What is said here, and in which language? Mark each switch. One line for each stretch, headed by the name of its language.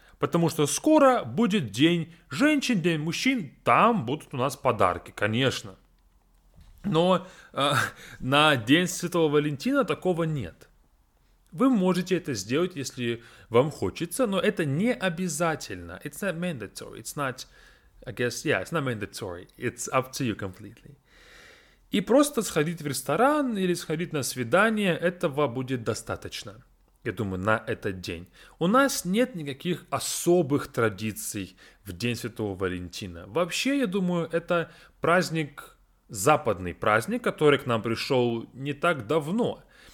Russian: Потому что скоро будет день женщин, день мужчин, там будут у нас подарки, конечно. Но на день Святого Валентина такого нет. Вы можете это сделать, если вам хочется, но это не обязательно.
English: It's not mandatory. It's not, I guess, yeah, it's not mandatory. It's up to you completely.
Russian: И просто сходить в ресторан или сходить на свидание, этого будет достаточно. Я думаю, на этот день. У нас нет никаких особых традиций в День Святого Валентина. Вообще, я думаю, это праздник, западный праздник, который к нам пришел не так давно.